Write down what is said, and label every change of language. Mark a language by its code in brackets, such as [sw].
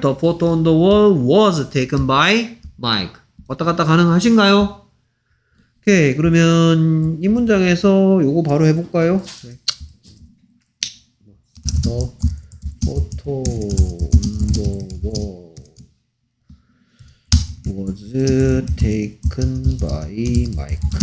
[en] The photo on the wall was taken by Mike. [ko] 왔다 갔다 가능하신가요? 오케이. 그러면 이 문장에서 요거 바로 해볼까요? 네. [en] The photo on the wall was taken by Mike.